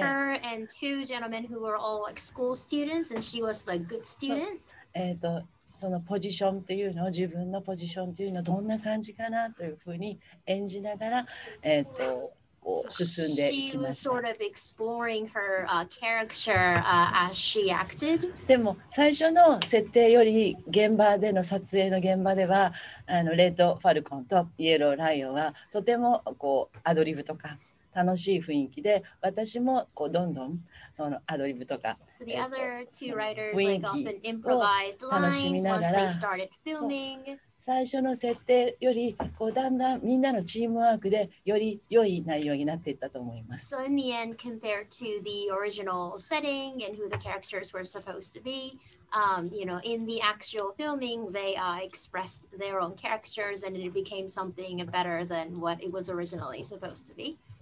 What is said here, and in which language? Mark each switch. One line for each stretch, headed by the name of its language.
English: it was her and two gentlemen who were all like school students, and she was the good student.
Japanese: そのポジションっていうのを自分のポジションっていうのはどんな感じかなというふうに演じながら、進んでいきました。
English: She was sort of exploring her character as she acted.
Japanese: でも最初の設定より現場での撮影の現場ではレッド・ファルコンとイエロー・ライオンはとてもこうアドリブとか楽しい雰囲気で私もこうどんどんそのアドリブとか
English: So the other two writers like often improvised lines once they started filming.
Japanese: 最初の設定よりこうだんだんみんなのチームワークでより良い内容になっていったと思います。
English: So in the end, compared to the original setting and who the characters were supposed to be, you know, in the actual filming, they expressed their own characters and it became something better than what it was originally supposed to be.